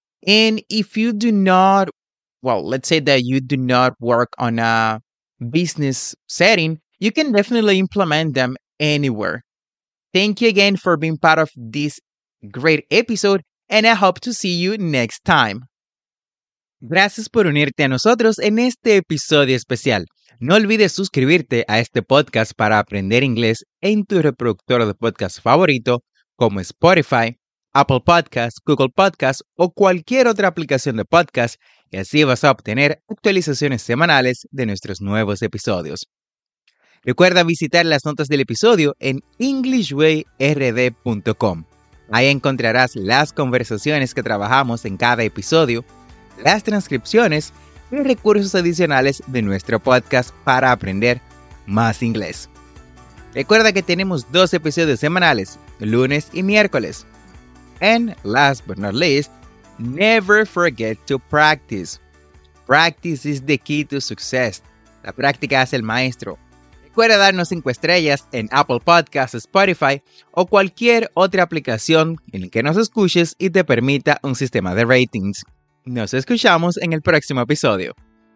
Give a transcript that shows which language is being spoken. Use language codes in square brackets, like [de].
[en] And if you do not, well, let's say that you do not work on a business setting, you can definitely implement them anywhere. Thank you again for being part of this great episode, and I hope to see you next time. [es] Gracias por unirte a nosotros en este episodio especial. No olvides suscribirte a este podcast para aprender inglés en tu reproductor de podcast favorito, como Spotify, Apple Podcasts, Google Podcasts o cualquier otra aplicación de podcast, y así vas a obtener actualizaciones semanales de nuestros nuevos episodios. Recuerda visitar las notas del episodio en englishwayrd.com. Ahí encontrarás las conversaciones que trabajamos en cada episodio, las transcripciones y recursos adicionales de nuestro podcast para aprender más inglés. Recuerda que tenemos dos episodios semanales, lunes y miércoles. [en] And last but not least, never forget to practice. Practice is the key to success. [es] La práctica es el maestro. Recuerda darnos 5 estrellas en Apple Podcasts, Spotify o cualquier otra aplicación en la que nos escuches y te permita un sistema de ratings. Nos escuchamos en el próximo episodio.